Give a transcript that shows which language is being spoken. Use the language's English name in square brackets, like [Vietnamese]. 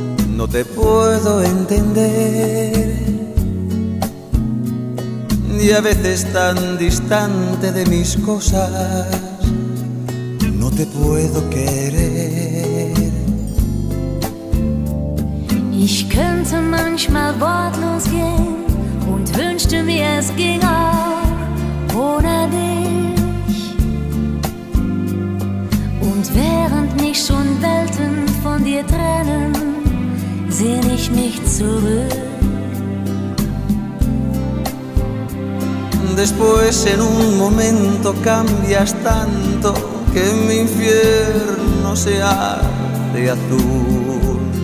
[Spanish] No te puedo entender. Y a veces tan distante de mis cosas, no te puedo querer. [German] Ich könnte manchmal wortlos gehen und wünschte mir, es ging auch ohne dich. Und während mich schon Welten von dir trennen, sehne ich mich zurück. [Spanish] Después en un momento cambias tanto que mi infierno se hace azul.